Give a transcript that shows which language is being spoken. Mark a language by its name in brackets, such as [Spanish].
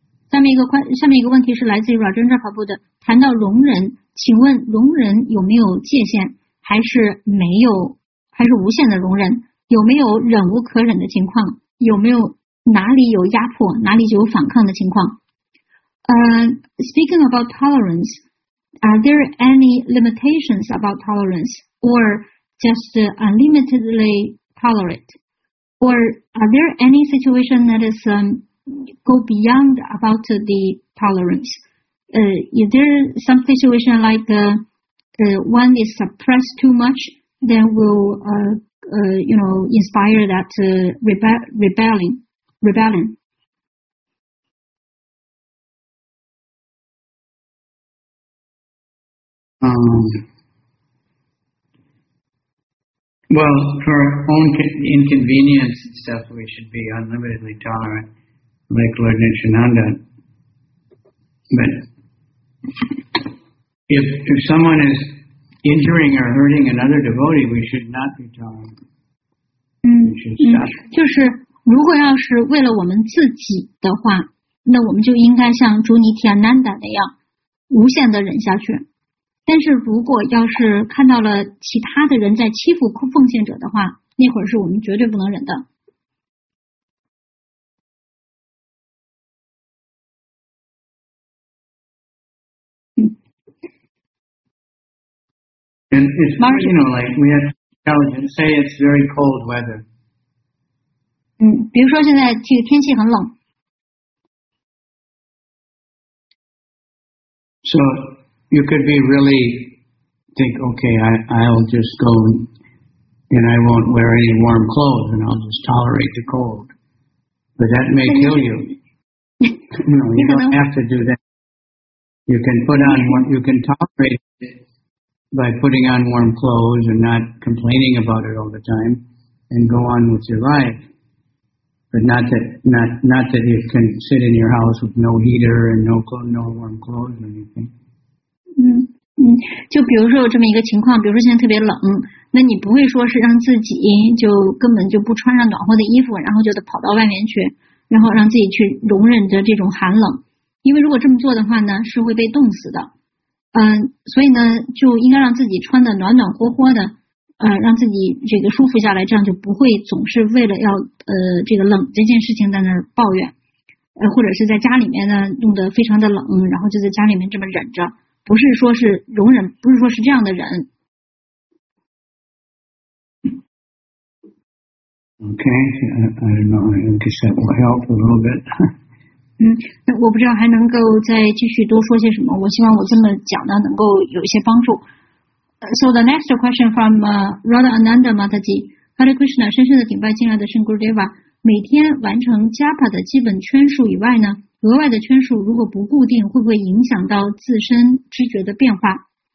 [Chinese] 下面一个问题是来自于 Rajendra Prabhu 的，谈到聋人，请问聋人有没有界限，还是没有，还是无限的聋人？有没有忍无可忍的情况？有没有哪里有压迫，哪里有反抗的情况？ [English] Speaking about tolerance, are there any limitations about tolerance, or just unlimitedly tolerate? Or are there any situation that is go beyond about the tolerance? Is there some situation like one is suppressed too much, then will inspire that rebellion? Well, for our own inconvenience and stuff, we should be unlimitedly tolerant, like Lord Nityananda. But if someone is injuring or hurting another devotee, we should not be tolerant. We should stop. [Chinese] 就是如果要是为了我们自己的话，那我们就应该像朱尼提安南达那样，无限的忍下去。但是如果要是看到了其他的人在欺负奉献者的话，那会儿是我们绝对不能忍的。 [English] And it's, you know, like we have intelligence. Say it's very cold weather. [Chinese] 比如说现在这个天气很冷。 [English] So. You could be really think, okay, I'll just go and I won't wear any warm clothes and I'll just tolerate the cold. But that may kill you. No, you don't have to do that. You can put on, you can tolerate it by putting on warm clothes and not complaining about it all the time and go on with your life. But not that you can sit in your house with no heater and no warm clothes or anything. [Chinese] 就比如说有这么一个情况，比如说现在特别冷，那你不会说是让自己就根本就不穿上暖和的衣服，然后就得跑到外面去，然后让自己去容忍着这种寒冷，因为如果这么做的话呢，是会被冻死的。所以呢，就应该让自己穿的暖暖和和的，让自己这个舒服下来，这样就不会总是为了要这个冷这件事情在那儿抱怨，或者是在家里面呢弄得非常的冷，然后就在家里面这么忍着，不是说是容忍，不是说是这样的人。 [English] Okay, I don't know. I guess that will help a little bit. [Chinese] 我不知道还能够再继续多说些什么。我希望我这么讲呢，能够有一些帮助。 [English] So the next question from Radha Ananda Mataji, Hare Krishna, [Chinese] 深深的顶拜进来的圣 Gurudeva, 每天完成 Japa 的基本圈数以外呢，额外的圈数如果不固定，会不会影响到自身知觉的变化？